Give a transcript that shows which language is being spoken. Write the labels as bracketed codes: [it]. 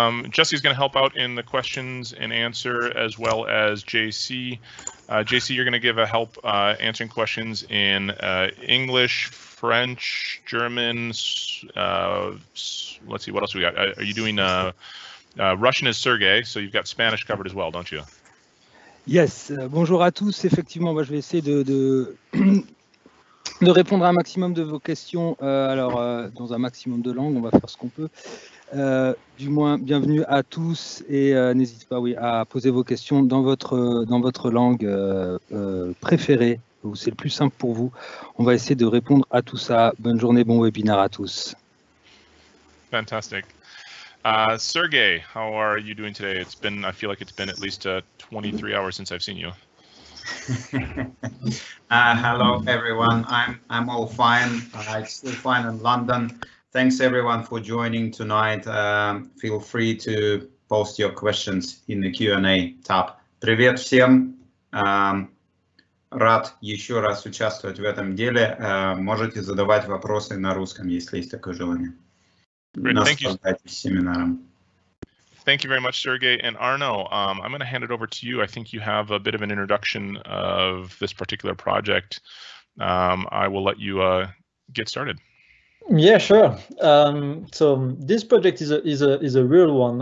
[en] Jesse's going to help out in the questions and answer, as well as JC. JC, you're going to give a help answering questions in English, French, German. Let's see, what else we got? Are you doing Russian is Sergey, so you've got Spanish covered as well, don't you? Yes. [fr] Bonjour à tous. Effectivement, moi, je vais essayer de répondre à un maximum de vos questions. Dans un maximum de langues, on va faire ce qu'on peut. Du moins, bienvenue à tous et n'hésitez pas, oui, à poser vos questions dans votre langue préférée, où c'est le plus simple pour vous. On va essayer de répondre à tout ça. Bonne journée, bon webinaire à tous. [en] Fantastic. Sergey, how are you doing today? It's been, I feel like it's been at least 23 hours since I've seen you. hello, everyone. I'm all fine. I'm still fine in London. Thanks, everyone, for joining tonight. Feel free to post your questions in the Q&A tab. [ru] Привет всем. Рад еще раз участвовать в этом деле. Можете задавать вопросы на русском, если есть такое желание. [en] Thank you very much, Sergey. And Arnaud, I'm going to hand it over to you. I think you have a bit of an introduction of this particular project. I will let you get started. Yeah, sure. So this project is a real one.